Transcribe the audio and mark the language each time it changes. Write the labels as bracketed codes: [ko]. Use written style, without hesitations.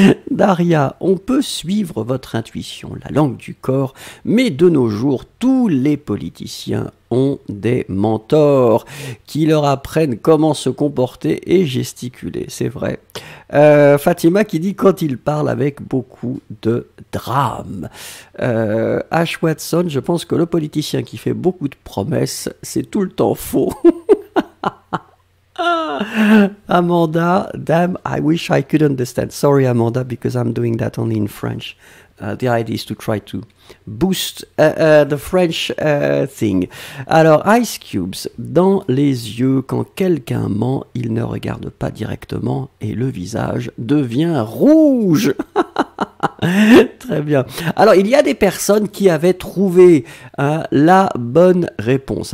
[fr] Daria, on peut suivre votre intuition, la langue du corps, mais de nos jours, tous les politiciens ont des mentors qui leur apprennent comment se comporter et gesticuler, c'est vrai. Fatima qui dit quand il parle avec beaucoup de drame. Ash Watson, je pense que le politicien qui fait beaucoup de promesses, c'est tout le temps faux. [en] Amanda, damn, I wish I could understand. Sorry, Amanda, because I'm doing that only in French. The idea is to try to boost the French thing. [fr] Alors, Ice Cubes, dans les yeux, quand quelqu'un ment, il ne regarde pas directement et le visage devient rouge. Très bien. Alors, il y a des personnes qui avaient trouvé la bonne réponse.